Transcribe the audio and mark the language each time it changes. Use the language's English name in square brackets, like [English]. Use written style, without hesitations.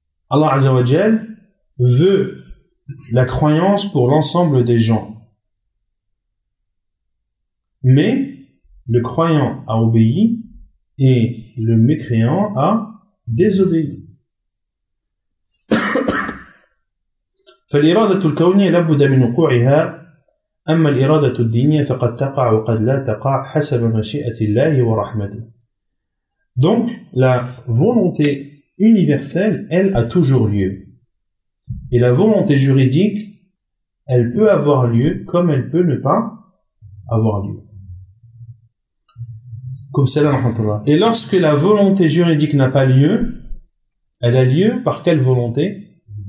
[French] Allah Azza wa Jal veut la croyance pour l'ensemble des gens. Mais le croyant a obéi et le mécréant a désobéi. [Arabic] فالإرادة الكونية لا بد من وقوعها أما الإرادة الدينية فقد تقع وقد لا تقع حسب مشيئة الله ورحمته. [French] Donc la volonté universelle, elle a toujours lieu. Et la volonté juridique, elle peut avoir lieu comme elle peut ne pas avoir lieu. Comme cela, et lorsque la volonté juridique n'a pas lieu, elle a lieu par quelle volonté?